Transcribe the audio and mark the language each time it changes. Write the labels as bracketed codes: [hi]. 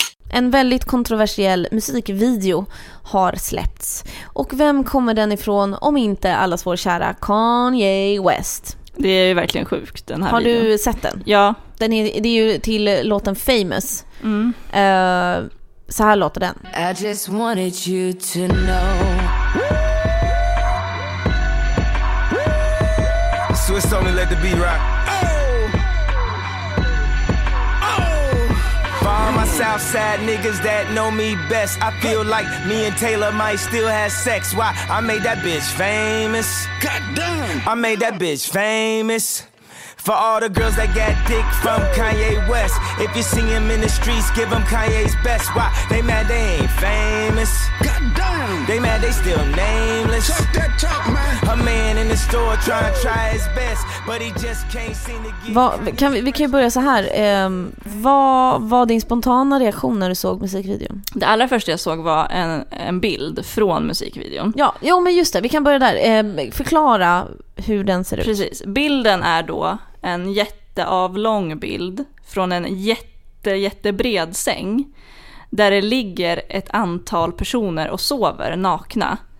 [sv] En väldigt kontroversiell musikvideo har släppts. Och vem kommer den ifrån om inte allas vår kära Kanye West? Det är ju verkligen sjukt, den här har videon. Har du sett den? Ja. Den är, det är ju till låten Famous. Mm. Så här låter den. [en] I just wanted you to know. So it's only let the beat rock. South side niggas that know me best. I feel like me and Taylor might still have sex. Why? I made that bitch famous. God damn. I made that bitch famous. For all the girls that got dick from Kanye West. If you see him in the streets, give him Kanye's best. Why? They mad they ain't famous. God damn. They mad they still nameless. Talk that talk, man. A man in the store trying to try his best, but he just can't seem to get. [sv] Vi kan ju börja så här. Vad var din spontana reaktion när du såg musikvideon? Det allra första jag såg var en bild från musikvideon. Ja, jo, men just det. Vi kan börja där. Förklara hur den ser ut. Precis. Bilden är då en jätteavlång bild från en jättebred säng där det ligger ett antal personer och sover nakna.